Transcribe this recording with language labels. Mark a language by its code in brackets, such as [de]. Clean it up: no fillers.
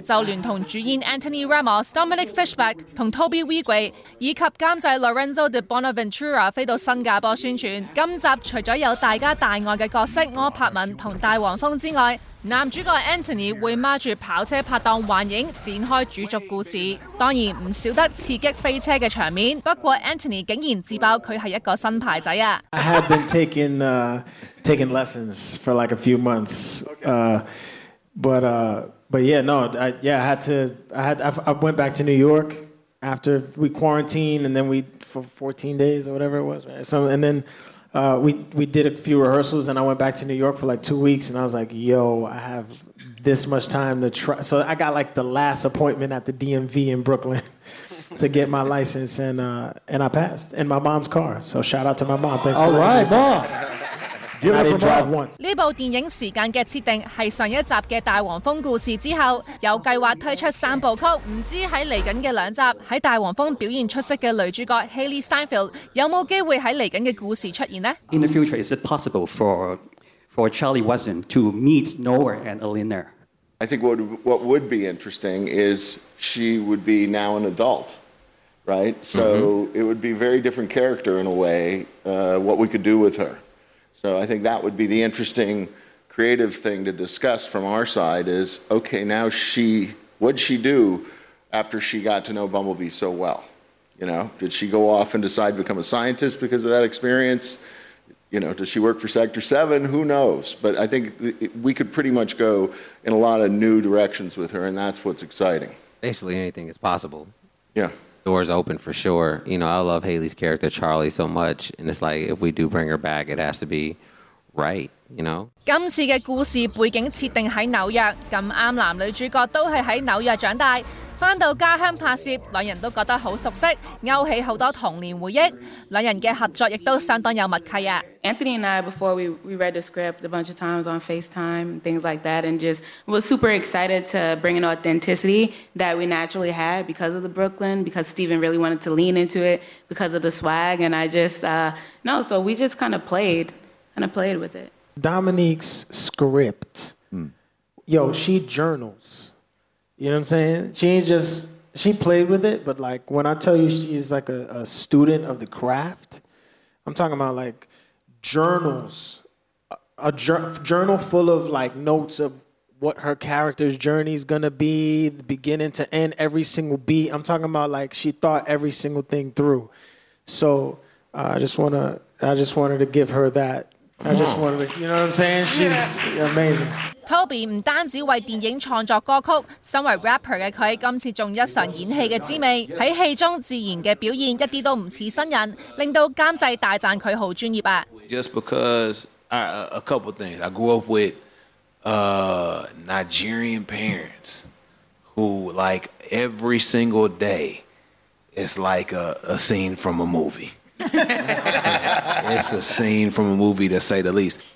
[yue] 就联同主演 Anthony Ramos、 Dominic Fishback 和 Toby Wigwe 以及监制 Lorenzo de Bonaventura 飞到新加坡宣传。今集除了有大家大爱的角色柯柏敏和大黄蜂之外，男主角 Anthony 会孖住跑车拍档幻影展开主轴故事，当然不少得刺激飞车的场面。不过 Anthony 竟然自爆他是一个新牌仔。 [en] I have been taking lessons for like a few months, I went back to New York after we quarantined, and then we for 14 days or whatever it was, right? So and then. We did a few rehearsals and I went back to New York for like 2 weeks and I was like, yo, I have this much time to try. So I got like the last appointment at the DMV in Brooklyn to get my license and I passed in my mom's car. So shout out to my mom. Thanks All for right, mom. Give it a try. [yue] 这部电影时间的设定是上一集的大黄蜂故事之后，有计划推出三部曲，不知道在接下来的两集在大黄蜂表现出色的女主角 Hailee Steinfeld 有没有机会在接下来的故事出现呢？ [en] In the future, is it possible for Charlie Wesson to meet Noah and Alina? I think what would be interesting is she would be now an adult. Right? So it would be a very different character in a way, what we could do with her. So I think that would be the interesting creative thing to discuss from our side is, okay, now she, what'd she do after she got to know Bumblebee so well? You know, did she go off and decide to become a scientist because of that experience? You know, does she work for Sector 7? Who knows? But I think we could pretty much go in a lot of new directions with her, and that's what's exciting. Basically anything is possible. Yeah. Doors open for sure. You know, I love Hailee's character, Charlie, so much. And it's like, if we do bring her back, it has to be right, you know? [yue] 今次的故事背景设定在纽约，咁啱男女主角都是在纽约长大，回到家乡拍摄，两人都觉得很熟悉，勾起很多童年回忆。两人的合作也都相当有默契。 [en] Anthony and I, before we read the script a bunch of times on FaceTime, things like that, and just was super excited to bring an authenticity that we naturally had because of the Brooklyn, because Steven really wanted to lean into it because of the swag, and I just, no, so we just kind of played with it. Dominique's script, yo, she journals. You know what I'm saying? She played with it, but like when I tell you she's like a student of the craft, I'm talking about like journals, a journal full of like notes of what her character's journey is gonna be, the beginning to end, every single beat. I'm talking about like she thought every single thing through. So I just wanted to give her that. I just wanted to, you know what I'm saying? She's amazing. [yue] Toby 不单止为电影创作歌曲，身为 rapper 的他今次还一尝演戏的滋味，在戏中自然的表现一点都不像新人，令到监制大赞他很专业。 [en] Just because, a couple things. I grew up with Nigerian parents who like every single day is like a scene from a movie. It's a scene from a movie, to say the least.